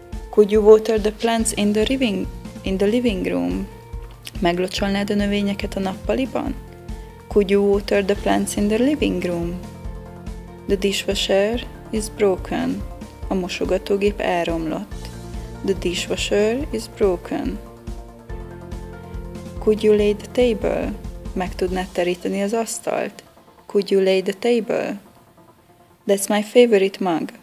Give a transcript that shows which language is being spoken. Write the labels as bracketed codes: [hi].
[en] Could you water the plants in the living room? [hu] Meglocsolnád a növényeket a nappaliban? [en] Could you water the plants in the living room? The dishwasher is broken. [hu] A mosogatógép elromlott. [en] The dishwasher is broken. Could you lay the table? [hu] Meg tudnád teríteni az asztalt? [en] Could you lay the table? That's my favorite mug.